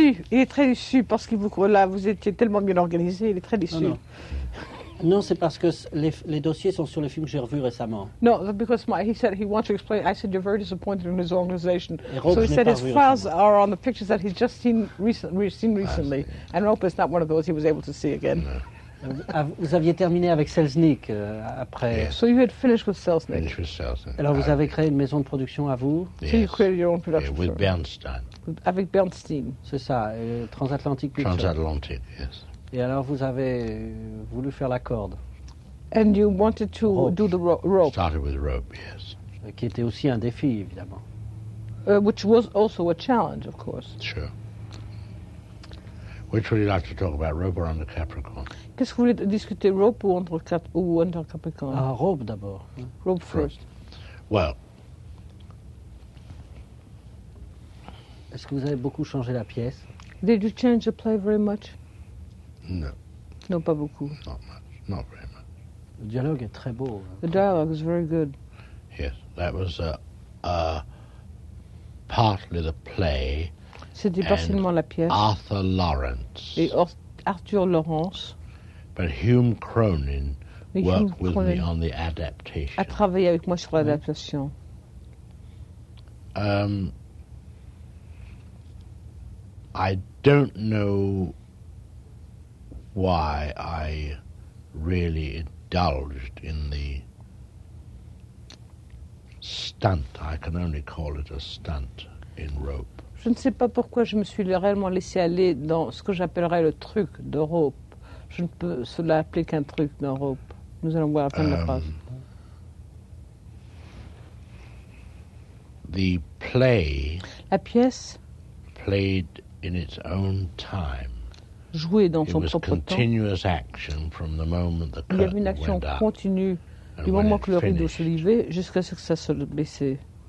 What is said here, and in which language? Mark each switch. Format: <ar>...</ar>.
<fr>Il est très déçu parce que vous étiez tellement bien organisé, il est très déçu. Non, c'est parce que les dossiers sont sur le film que j'ai revu récemment.</fr> <en>No, because he said he wants to explain. I said you're very disappointed in his organization. Rope, so he said his files are on the pictures that he's just seen recently, and Rope is not one of those he was able to see again.</en> <fr>Vous aviez terminé avec Selznick après.</fr> <en>Yes. So you had finished with Selznick. Finished with Selznick.</en> <fr>Alors vous avez créé une maison de production à vous.</fr> <en>Yes. So you created your own production. Yeah, with Bernstein.</en> <fr>Avec Bernstein. C'est ça, Transatlantic Pictures.</fr> <en>Transatlantic, yes.</en> <fr>Et alors vous avez voulu faire La Corde.</fr> <en>And you wanted to rope. Do the rope. Started with Rope, yes.</en> <fr>Qui était aussi un défi, évidemment.</fr> <en>Which was also a challenge, of course. Sure. Which would you like to talk about, Rope or Under Capricorn?</en> <fr>Qu'est-ce que vous voulez discuter, Rope ou Under Capricorn? Ah, Rope d'abord.</fr> <en>Rope first. Well.</en> <fr>Est-ce que vous avez beaucoup changé la pièce?</fr> <en>Did you change the play very much? No.</en> <fr>Non, pas beaucoup.</fr> <en>Not much. Not very much.</en> <fr>Le dialogue est très beau.</fr> <en>The dialogue is very good. Yes, that was partly the play.</en> <fr>C'était partiellement la pièce.</fr> <en>Arthur Lawrence.</en> <fr>Et Arthur Lawrence.</fr> <en>But Hume Cronin worked with me on the adaptation.</en> <fr>A travaillé avec moi sur l'adaptation.</fr> <en>I don't know why I really indulged in the stunt. I can only call it a stunt in Rope.</en> <fr>Je ne sais pas pourquoi je me suis réellement laissé aller dans ce que j'appellerais le truc de Rope. Je ne peux cela appeler qu'un truc d'Europe. Nous allons voir à la fin de la phrase.</fr> <en>The play.</en> <fr>La pièce.</fr> <en>Played in its own time.</en> <fr>Jouée dans</fr> <en>it</en> <fr>son propre temps.</fr> <en>It was continuous action from the moment the curtain went up.</en> <fr>Il y avait une action continue du moment que le rideau se levait jusqu'à ce que ça se baissait.</fr>